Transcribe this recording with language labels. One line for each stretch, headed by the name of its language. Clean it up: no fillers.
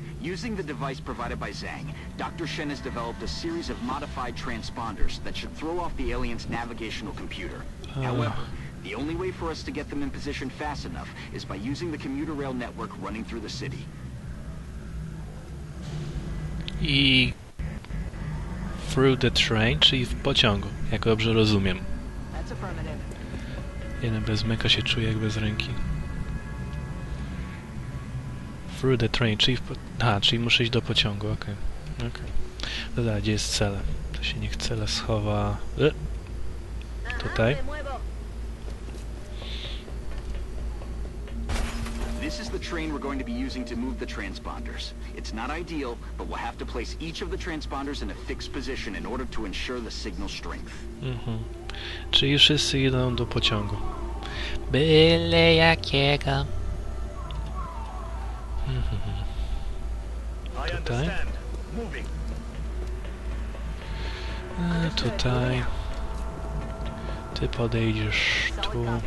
English: Using the device provided by Zhang, Dr. Shen has developed a series of modified transponders that should throw off the alien's navigational computer. However, the only way for us to get them in position fast enough is by using the commuter rail network running through the city. I through the train,
Polish: czyli w pociągu, jak dobrze rozumiem.
English: That's affirmative.
Polish: Jeden bez meka się czuje jak bez ręki.
English: Through the train,
Polish: czyli, czyli muszę iść do pociągu, okej. Dobra, gdzie jest cel? To się niech cel schowa... Tutaj.
English: This is the train we're going to be using to move the transponders. It's not ideal, but we'll have to place each of the transponders in a fixed position in order to ensure the signal strength.
Polish: Czyli wszyscy idą do pociągu. Byle jakiego. Tutaj. Tutaj. Ty podejdziesz tu.